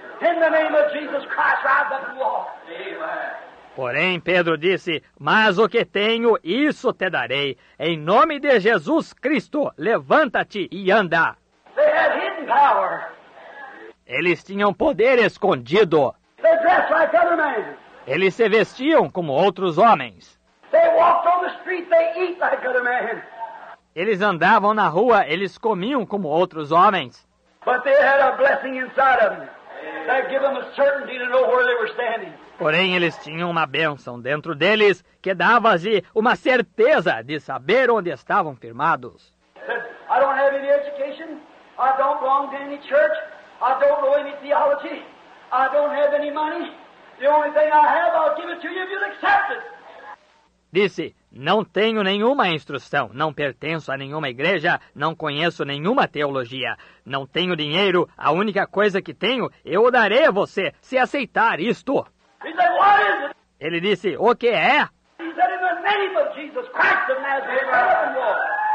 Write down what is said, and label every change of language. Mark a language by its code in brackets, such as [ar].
[en] In the name of Jesus Christ, rise up and walk. [pt] Porém, Pedro disse, mas o que tenho, isso te darei. Em nome de Jesus Cristo, levanta-te e anda. [en] They had hidden power. [pt] Eles tinham poder escondido. [en] They dressed like other men. [pt] Eles se vestiam como outros homens. [en] They walked on the street, they eat like other men. [pt] Eles andavam na rua, eles comiam como outros homens. [en] But they had a blessing inside of them. That gave them a certainty to know where they were standing. [pt] Porém, eles tinham uma bênção dentro deles que dava-se uma certeza de saber onde estavam firmados. [en] I don't have any education. I don't belong to any church. I don't know any theology. I don't have any money. The only thing I have, I'll give it to you if you'll accept it. [pt] Disse, não tenho nenhuma instrução, não pertenço a nenhuma igreja, não conheço nenhuma teologia, não tenho dinheiro, a única coisa que tenho, eu o darei a você, se aceitar isto. [en] He said, what is it? [pt] Ele disse, o que é? [en] He said, in the name of Jesus Christ of Nazareth,